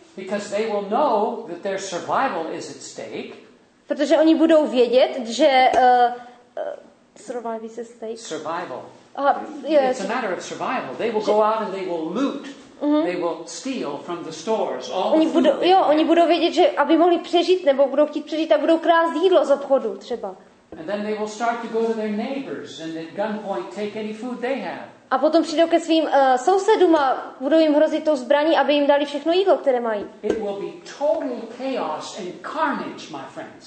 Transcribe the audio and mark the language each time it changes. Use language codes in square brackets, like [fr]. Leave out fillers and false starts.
[en] Because they will know that their survival is at stake. [cs] Protože oni budou vědět, že [en] survival is at stake. Survival. It's a matter of survival. They will go out and they will loot. Mm-hmm. They will steal from the stores all [cs] oni budou, jo, oni budou vědět, že aby mohli přežít, nebo budou chtít přežít, tak budou krást jídlo z obchodu třeba. [en] And then they will start to go to their neighbors and at gunpoint take any food they have. [cs] A potom přijdou ke svým sousedům a budou jim hrozit tou zbraní, aby jim dali všechno jídlo, které mají. [en] It will be total chaos and carnage, my friends.